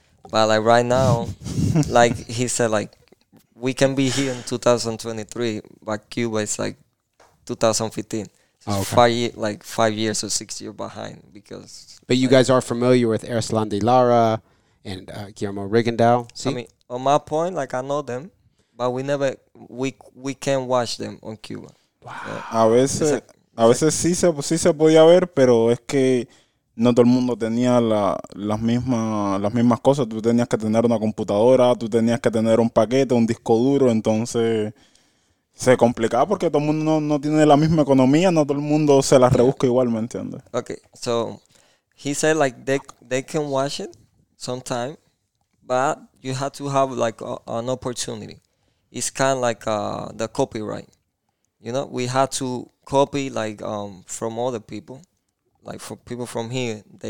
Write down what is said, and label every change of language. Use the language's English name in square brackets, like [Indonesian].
[English] But, like, right now, like, he said, like, we can be here in 2023, but Cuba is, like, 2015. Oh, okay. Five years or 6 years behind. Because, but you, like, guys are familiar with Erslan de Lara and Guillermo Rigondeaux. I mean, on my point, like, I know them, but we can't watch them on Cuba. Wow. Yeah. [Spanish] A veces sí se podía ver, pero es que no todo el mundo tenía las mismas cosas. Tú tenías que tener una computadora, tú tenías que tener un paquete, un disco duro, entonces se complica porque todo el mundo no tiene la misma economía, no todo el mundo se la rebusca igual, ¿me entiendes? [English] Okay, so he said, like, they can watch it sometime, but you have to have, like, an opportunity. It's kind of like the copyright, you know? We had to copy, like, from other people, like, for people from here.